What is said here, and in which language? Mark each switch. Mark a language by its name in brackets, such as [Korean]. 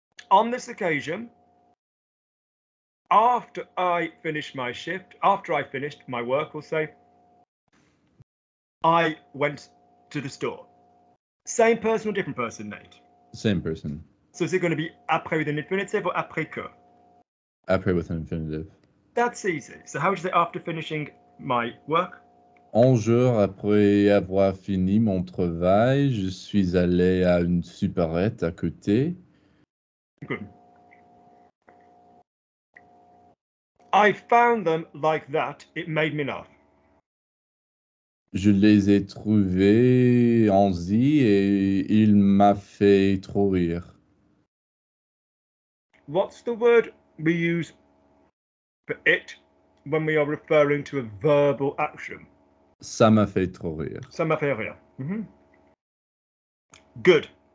[English] On this occasion, after I finished my shift, after I finished my work, we'll say, I went to the store. Same person or different person, Nate? Same person. So is it going to be après with an infinitive or après que? Après with an infinitive. That's easy. So how would you say after finishing my work? [French] Un jour après avoir fini mon travail, je suis allé à une supérette à côté. [English] Good. I found them like that. It made me laugh. [French] Je les ai trouvés en zi et il m'a fait trop rire. [English] What's the word we use for it when we are referring to a verbal action? [French] Ça m'a fait trop rire. Ça m'a fait rire. Mm-hmm. Good.